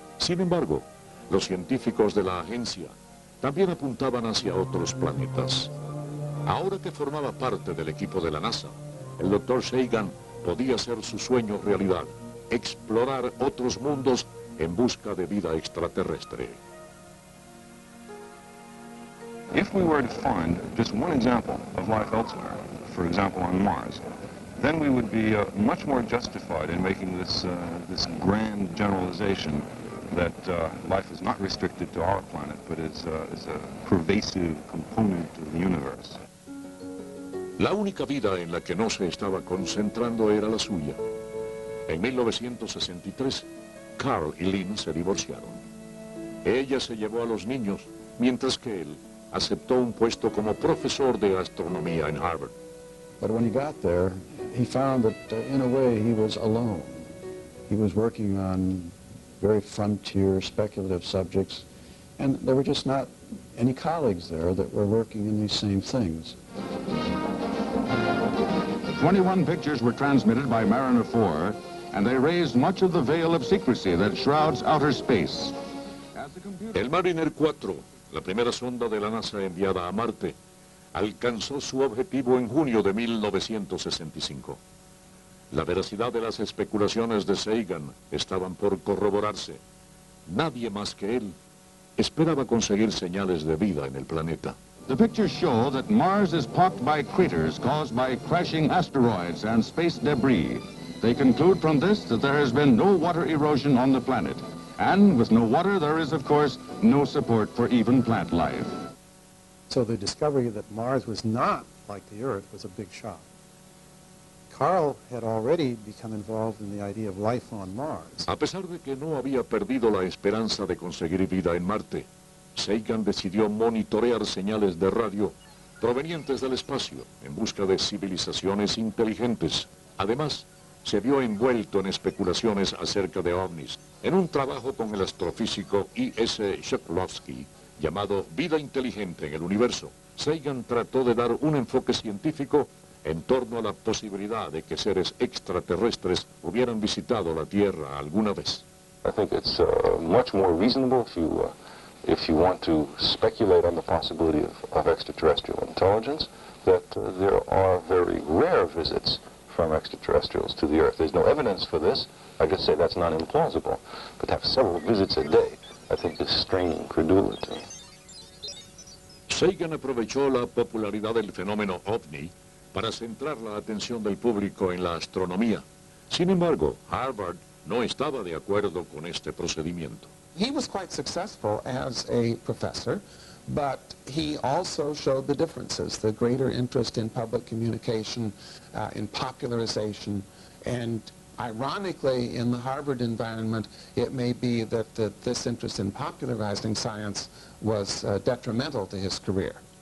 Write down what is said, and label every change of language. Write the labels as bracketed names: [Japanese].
[Spanish] Sin embargo, los científicos de la agencia también apuntaban hacia otros planetas. Ahora que formaba parte del equipo de la NASA, el Dr. Sagan podía hacer su sueño realidad, explorar otros mundos en busca de vida extraterrestre. [English] If we were to find just one example of life elsewhere, for example on Mars, then we would be much more justified in making this this grand generalization that life is not restricted to our planet, but is a pervasive component of the universe. [Spanish] La única vida en la que no se estaba concentrando era la suya. En 1963, Carl y Lynn se divorciaron. Ella se llevó a los niños, mientras que él aceptó un puesto como profesor de astronomía en Harvard. [English] But when he got there, he found that in a way he was alone. He was working on very frontier speculative subjects, and there were just not any colleagues there that were working in these same things. 21 pictures were transmitted by Mariner 4, and they raised much of the veil of secrecy that shrouds outer space. [Spanish] El Mariner 4 la primera sonda de la NASA enviada a Marte, alcanzó su objetivo en junio de 1965. La veracidad de las especulaciones de Sagan estaban por corroborarse. Nadie más que él esperaba conseguir señales de vida en el planeta. [English] The pictures show that Mars is pocked by craters caused by crashing asteroids and space debris. They conclude from this that there has been no water erosion on the planet. And with no water, there is, of course, no support for even plant life. So the discovery that Mars was not like the Earth was a big shock. Carl had already become involved in the idea of life on Mars. [Spanish] A pesar de que no había perdido la esperanza de conseguir vida en Marte, Sagan decidió monitorear señales de radio provenientes del espacio en busca de civilizaciones inteligentes. Además, se vio envuelto en especulaciones acerca de ovnis en un trabajo con el astrofísico E.S. Shklovsky llamado Vida Inteligente en el Universo. Sagan trató de dar un enfoque científico en torno a la posibilidad de que seres extraterrestres hubieran visitado la Tierra alguna vez. [English] I think it's much more reasonable if you want to speculate on the possibility of extraterrestrial intelligence, that there are very rare visits from extraterrestrials to the Earth. There's no evidence for this. I just say that's not implausible. But to have several visits a day, I think is straining credulity. [Spanish] Sagan aprovechó la popularidad del fenómeno OVNI para centrar la atención del público en la astronomía. Sin embargo, Harvard no estaba de acuerdo con este procedimiento. [English] He was quite successful as a professor, but he also showed the differences, the greater interest in public communication, in popularization, and ironically, in the Harvard environment, it may be that this interest in popularizing science was detrimental to his career.